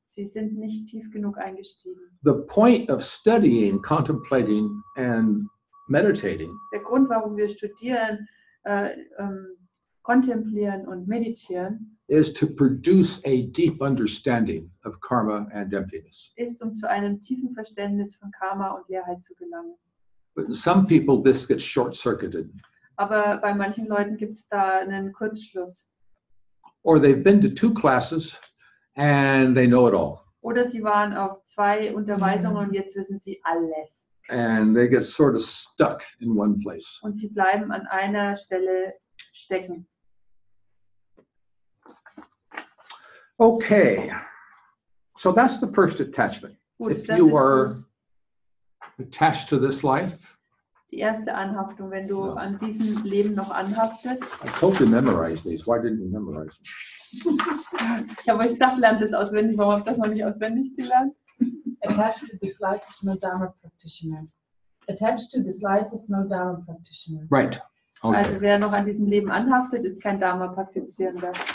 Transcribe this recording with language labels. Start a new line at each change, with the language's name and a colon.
German: Sie sind nicht tief genug eingestiegen.
English: The point of studying, contemplating and meditating.
German: Der Grund, warum wir studieren, kontemplieren und meditieren,
English: is to produce a deep understanding of karma and emptiness.
German: Ist, um zu einem tiefen Verständnis von Karma und Leerheit zu gelangen.
English: But some people this gets short-circuited.
German: Aber bei manchen Leuten gibt es da einen Kurzschluss.
English: Or they've been to 2 classes and they know it all.
German: Oder sie waren auf 2 Unterweisungen und jetzt wissen sie alles.
English: And they get sort of stuck in one place.
German: Und sie bleiben an einer Stelle stecken.
English: Okay. So that's the first attachment.
German: Gut,
English: if you are attached to this life.
German: Die erste Anhaftung, wenn du an diesem Leben noch anhaftest.
English: I told you to memorize these. Why didn't you memorize them?
German: Ich habe euch gesagt, lernt das auswendig. Warum habt ihr das noch nicht auswendig gelernt?
English: Attached to this life is no Dharma practitioner. Attached to this life is no Dharma practitioner. Right. Okay.
German: Also wer noch an diesem Leben anhaftet, ist kein Dharma praktizierender.